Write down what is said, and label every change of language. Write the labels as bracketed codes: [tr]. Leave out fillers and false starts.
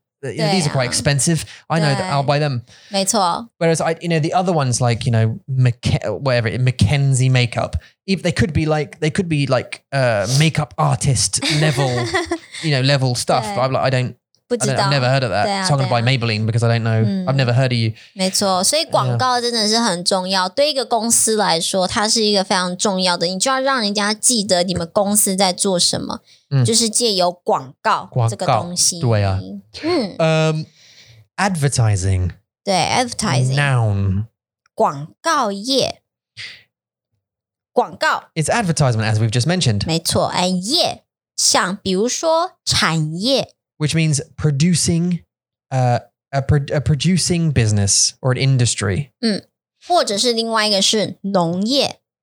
[en] You know, these are quite expensive. I know that I'll buy them. [zh] 没错 [en] Whereas, I, you know, the other ones like, you know, Mackenzie makeup, if they could be like, makeup artist level, you know, level stuff. But I'm like, I've never heard of that.、啊、 so I'm going to buy Maybelline because I don't know.、啊、 I've never heard of you. [zh] 没错所以广告真的是很重要、 [en] yeah. [zh] 对一个公司来说它是一个非常重要的你就要让人家记得你们公司在做什么、嗯、就是借由广告这个东西。对啊。嗯 [en] advertising. [zh] 对 advertising. [en] Noun. [zh] 广告业。广告。 [en] It's advertisement as we've just mentioned. [zh] 没错 [en] and [zh] 业。像比如说产业 [en] Which means producing, a producing business or an industry. [zh] 嗯，或者是另外一个是农业